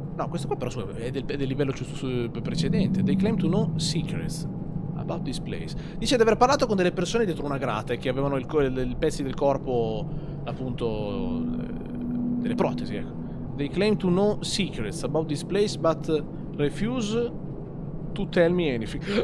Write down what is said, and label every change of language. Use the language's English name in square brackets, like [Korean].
[Italian] No, questo qua però è del livello precedente. [English] They claim to know secrets about this place. [Italian] Dice di aver parlato con delle persone dietro una grata che avevano i pezzi del corpo, appunto, delle protesi, ecco. [English] They claim to know secrets about this place, but refuse to tell me anything.